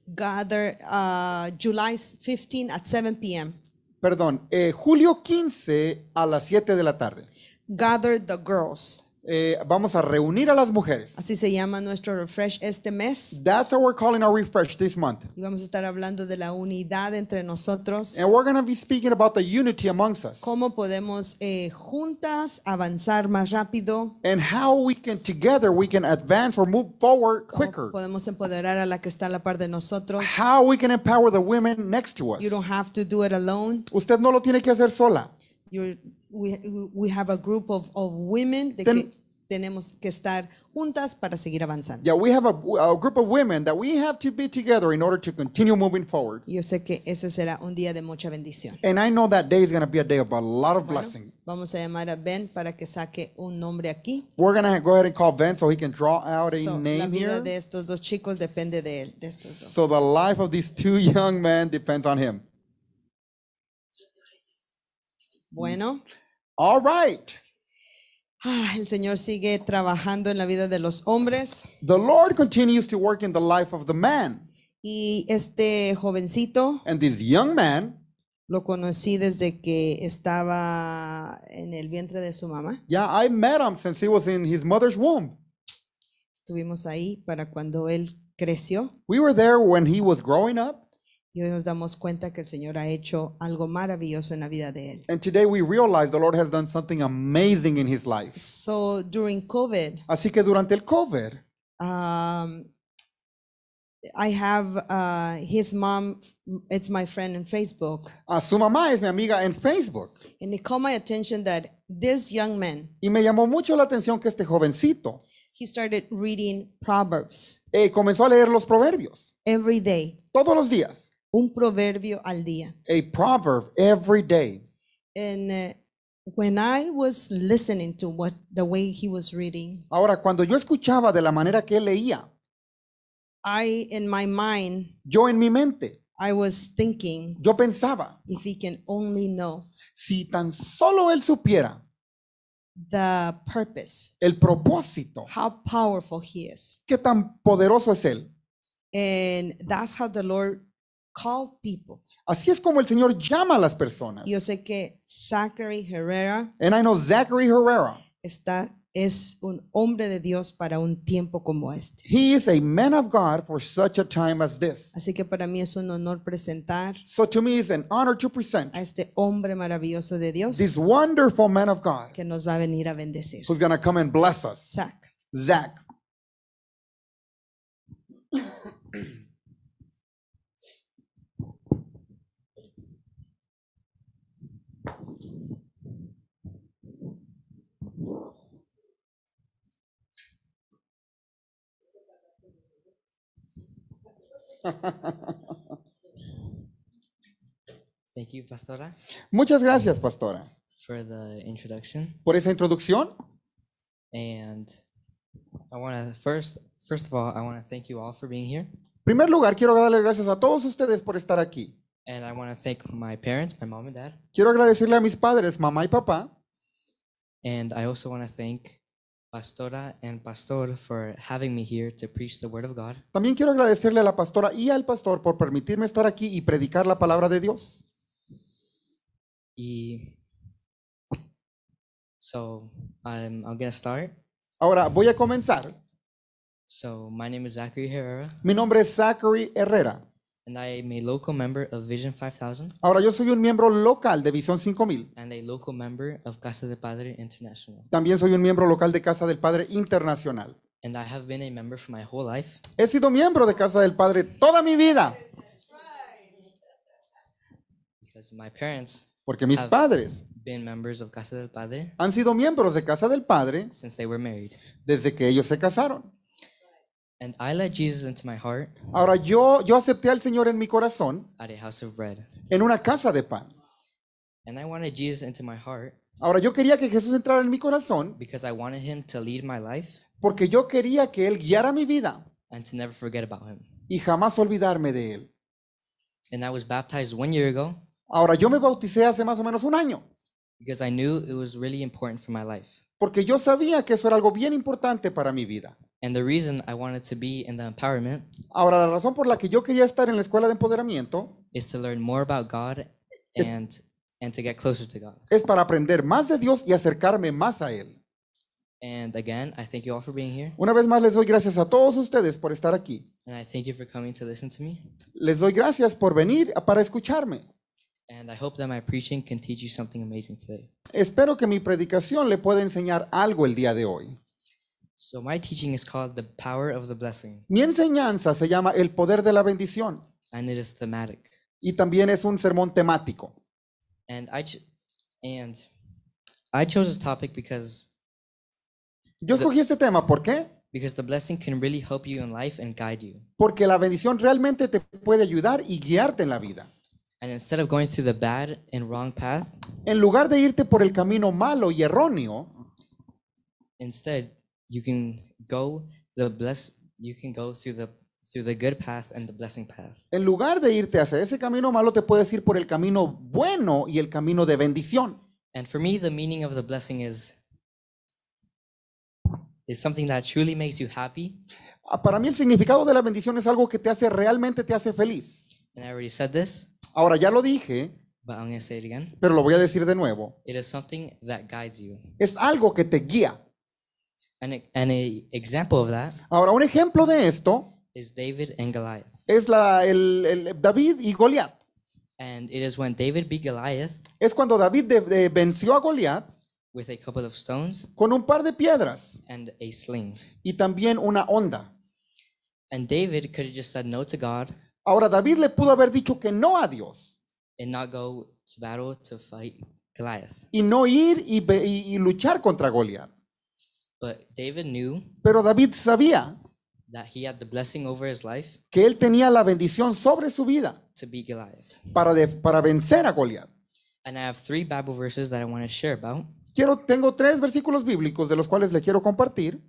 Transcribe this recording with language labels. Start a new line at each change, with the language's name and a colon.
English: Gather July 15 at 7 p.m.
Spanish: Perdón, julio 15 a las 7 de la tarde.
English: Gather the girls.
Spanish: Vamos a reunir a las mujeres. Así se llama nuestro Refresh este mes.
English: That's what we're calling our Refresh this month.
Spanish: Y vamos a estar hablando de la unidad entre nosotros.
English: And we're going to be speaking about the unity amongst us.
Spanish: Cómo podemos juntas avanzar más rápido.
English: And how we can together we can advance or move forward quicker.
Spanish: Cómo podemos empoderar a la que está a la par de nosotros.
English: How we can empower the women next to us. You don't have to do it alone.
Spanish: Usted no lo tiene que hacer sola.
English: We have a group of women that
Spanish: tenemos que estar juntas para seguir avanzando.
English: Yeah, we have a group of women that we have to be together in order to continue moving forward.
Spanish: Yo sé que ese será un día de mucha bendición.
English: And I know that day is going to be a day of a lot of blessing.
Spanish: Vamos a llamar a Ben para que saque un nombre aquí.
English: We're going to go ahead and call Ben so he can draw out a name here.
Spanish: La vida de estos dos chicos depende de él, de estos dos.
English: So the life of these two young men depends on him.
Spanish: Bueno.
English: All right.
Spanish: El Señor sigue trabajando en la vida de los hombres.
English: The Lord continues to work in the life of the man.
Spanish: Y este jovencito.
English: And this young man.
Spanish: Lo conocí desde que estaba en el vientre de su mamá.
English: Yeah, I met him since he was in his mother's womb.
Spanish: Estuvimos ahí para cuando él creció.
English: We were there when he was growing up.
Spanish: Y hoy nos damos cuenta que el Señor ha hecho algo maravilloso en la vida de él.
English: And today we realize the Lord has done something amazing in his life. So during COVID.
Spanish: Así que durante el COVID.
English: I have his mom, it's my friend in Facebook.
Spanish: Su mamá es mi amiga en Facebook.
English: And it caught my attention that this young man.
Spanish: Y me llamó mucho la atención que este jovencito.
English: He started reading Proverbs.
Spanish: Comenzó a leer los proverbios.
English: Every day.
Spanish: Todos los días. Un proverbio al día.
English: A proverb every day. And when I was listening to what the way he was reading.
Spanish: Ahora, cuando yo escuchaba de la manera que él leía.
English: I, in my mind.
Spanish: Yo en mi mente.
English: I was thinking.
Spanish: Yo pensaba.
English: If he can only know.
Spanish: Si tan solo él supiera.
English: The purpose.
Spanish: El propósito.
English: How powerful he is.
Spanish: Qué tan poderoso es él.
English: And that's how the Lord called people.
Spanish: Así es como el Señor llama a las personas. Yo sé que Zachary Herrera.
English: And I know Zachary Herrera.
Spanish: Está, es un hombre de Dios para un tiempo como este.
English: He is a man of God for such a time as this.
Spanish: Así que para mí es un honor presentar.
English: So to me it's an honor to present.
Spanish: A este hombre maravilloso de Dios.
English: This wonderful man of God.
Spanish: Que nos va a venir a bendecir.
English: Who's going to come and bless us. Zach. Thank you, Pastora.
Spanish: Muchas gracias, Pastora.
English: For the introduction.
Spanish: Por esa introducción.
English: And I want to first of all, I want to thank you all for being here.
Spanish: En primer lugar, quiero darle gracias a todos ustedes por estar aquí.
English: And I want to thank my parents, my mom and dad.
Spanish: Quiero agradecerle a mis padres, mamá y papá.
English: And I also want to thank Pastora and Pastor for having me here to preach the word of God.
Spanish: También quiero agradecerle a la pastora y al pastor por permitirme estar aquí y predicar la palabra de Dios.
English: Y so I'm going to start.
Spanish: Ahora voy a comenzar.
English: So my name is Zachary Herrera.
Spanish: Mi nombre es Zachary Herrera.
English: And I am a local member of Vision 5000.
Spanish: Ahora yo soy un miembro local de Visión 5000.
English: And a local member of Casa del Padre International.
Spanish: También soy un miembro local de Casa del Padre Internacional.
English: And I have been a member for my whole life.
Spanish: He sido miembro de Casa del Padre toda mi vida.
English: Because my parents.
Spanish: Porque mis padres.
English: Been members of Casa del Padre.
Spanish: Han sido miembros de Casa del Padre.
English: Since they were married.
Spanish: Desde que ellos se casaron.
English: And I let Jesus into my heart.
Spanish: Ahora yo acepté al Señor en mi corazón.
English: At a house of bread.
Spanish: En una casa de pan.
English: And I wanted Jesus into my heart.
Spanish: Ahora yo quería que Jesús entrara en mi corazón.
English: Because I wanted him to lead my life.
Spanish: Porque yo quería que él guiara mi vida.
English: And to never forget about him.
Spanish: Y jamás olvidarme de él.
English: And I was baptized 1 year ago.
Spanish: Ahora yo me bauticé hace más o menos un año.
English: Because I knew it was really important for my life.
Spanish: Porque yo sabía que eso era algo bien importante para mi vida.
English: And the reason I wanted to be in the empowerment.
Spanish: Ahora la razón por la que yo quería estar en la escuela de empoderamiento.
English: Is to learn more about God and to get closer to God.
Spanish: Es para aprender más de Dios y acercarme más a él.
English: And again, I thank you all for being here.
Spanish: Una vez más les doy gracias a todos ustedes por estar aquí.
English: And I thank you for coming to listen to me.
Spanish: Les doy gracias por venir para escucharme.
English: And I hope that my preaching can teach you something amazing today.
Spanish: Espero que mi predicación le pueda enseñar algo el día de hoy.
English: So my teaching is called The Power of the Blessing.
Spanish: Mi enseñanza se llama El Poder de la Bendición.
English: And it is thematic.
Spanish: Y también es un sermón temático.
English: And I chose this topic because
Spanish: yo escogí este tema, ¿por qué?
English: Because the blessing can really help you in life and guide you.
Spanish: Porque la bendición realmente te puede ayudar y guiarte en la vida.
English: And instead of going through the bad and wrong path,
Spanish: en lugar de irte por el camino malo y erróneo,
English: instead you can go through the good path and the blessing path.
Spanish: En lugar de irte hacia ese camino malo, te puedes ir por el camino bueno y el camino de bendición.
English: And for me, the meaning of the blessing is something that truly makes you happy.
Spanish: Para mí el significado de la bendición es algo que te hace realmente te hace feliz.
English: And I already said this.
Spanish: Ahora ya lo dije.
English: But I'm gonna say it again.
Spanish: Pero lo voy a decir de nuevo.
English: It is something that guides you.
Spanish: Es algo que te guía.
English: And an example of that.
Spanish: Ahora un ejemplo de esto.
English: Is David and Goliath.
Spanish: Es el David y Goliath.
English: And it is when David beat Goliath.
Spanish: Es cuando David venció a Goliath.
English: With a couple of stones.
Spanish: Con un par de piedras.
English: And a sling.
Spanish: Y también una honda.
English: And David could have just said no to God.
Spanish: Ahora David le pudo haber dicho que no a Dios.
English: And not go to battle to fight Goliath.
Spanish: Y no ir y luchar contra Goliath.
English: But David knew.
Spanish: Pero David sabía.
English: That he had the blessing over his life.
Spanish: Que él tenía la bendición sobre su vida.
English: To beat Goliath.
Spanish: Para vencer a Goliath.
English: And I have three Bible verses that I want to share about.
Spanish: Tengo tres versículos bíblicos de los cuales le quiero compartir.